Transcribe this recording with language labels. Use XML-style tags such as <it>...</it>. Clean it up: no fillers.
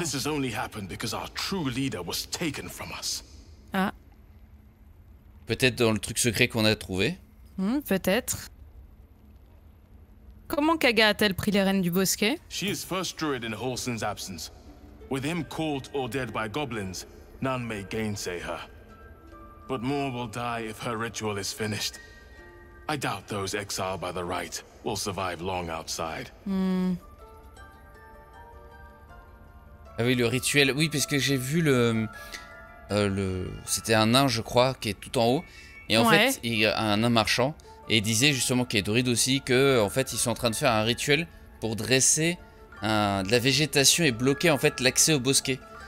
<en>This has only happened because our true leader was taken from us. Ah.</en> <fr>Peut-être dans le truc secret qu'on a trouvé. Peut-être. Comment Kaga a-t-elle pris les rênes du bosquet?</fr> <en>She is first druid in Horson's absence. With him caught or dead by goblins, none may gainsay her. But more will die if her ritual is finished. I doubt those exiled by the right will survive long outside.</en> <fr>Ah oui, le rituel. Oui, parce que j'ai vu le c'était un nain, je crois, qui est tout en haut. Et en fait, il y a un nain marchand. Et il disait justement, qui est druide aussi, que en fait, ils sont en train de faire un rituel pour dresser de la végétation et bloquer en fait l'accès au bosquet.</fr>